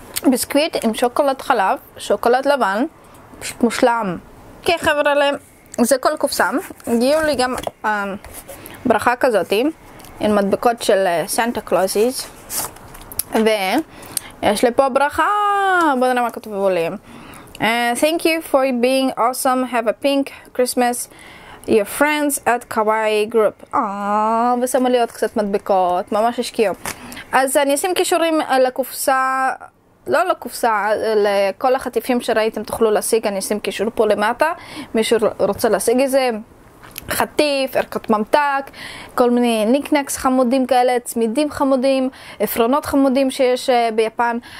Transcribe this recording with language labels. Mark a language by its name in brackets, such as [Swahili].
[Hebrew] ביסקוויט עם שוקולד חלב, שוקולד לבן, פשוט מושלם. אוקיי, חבר'ה, זה כל קופסה. הגיעו לי גם ברכה כזאת עם מדבקות של סנטה קלוזיז, ו... יש לי פה ברכה, בואו נראה מה כתבו לי. [English] Thank you for being awesome, have a pink Christmas, your friends at Kawaii Group. [Hebrew] ושמו לי עוד קצת מדבקות, ממש השקיעו. אז אני אשים קישורים לקופסה, לא לקופסה, לכל החטיפים שראיתם תוכלו להשיג, אני אשים קישור פה למטה, מישהו רוצה להשיג את זה. חטיף, ערכת ממתק, כל מיני ניקנקס חמודים כאלה, צמידים חמודים, אפרונות חמודים שיש ביפן.